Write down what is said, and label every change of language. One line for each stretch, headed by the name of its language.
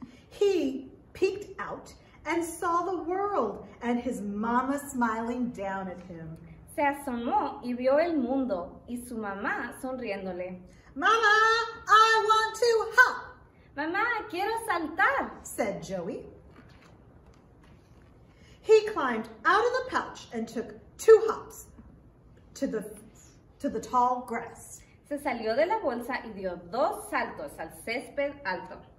English: He peeked out and saw the world and his mama smiling down at him.
Spanish: Se asomó y vio el mundo y su mamá sonriéndole.
English: Mama, I want to hop.
Spanish: Mamá, quiero saltar.
English: Said Joey. He climbed out of the pouch and took two hops to the tall grass.
Spanish: Se salió de la bolsa y dio dos saltos al césped alto.